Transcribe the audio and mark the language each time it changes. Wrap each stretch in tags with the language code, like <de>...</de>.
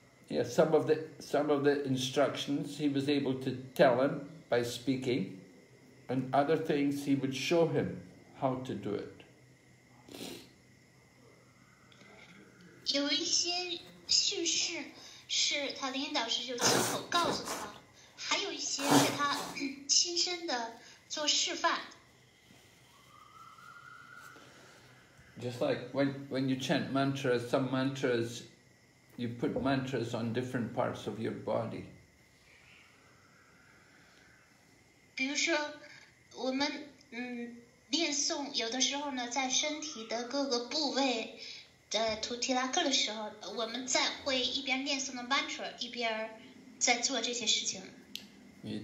<en>Yeah, some of the instructions he was able to tell him by speaking, and other things he would show him how to do it.</en> <zh>有一些训示是他的领导师就亲口告诉他，还有一些是他亲身的做示范。</zh> <en>Just like when you chant mantras, some mantras, you put mantras on different parts of your body.</en> <zh>比如说，我们念诵，有的时候呢，在身体的各个部位的图提拉克的时候，我们在会一边念诵的mantra，一边在做这些事情。You</zh>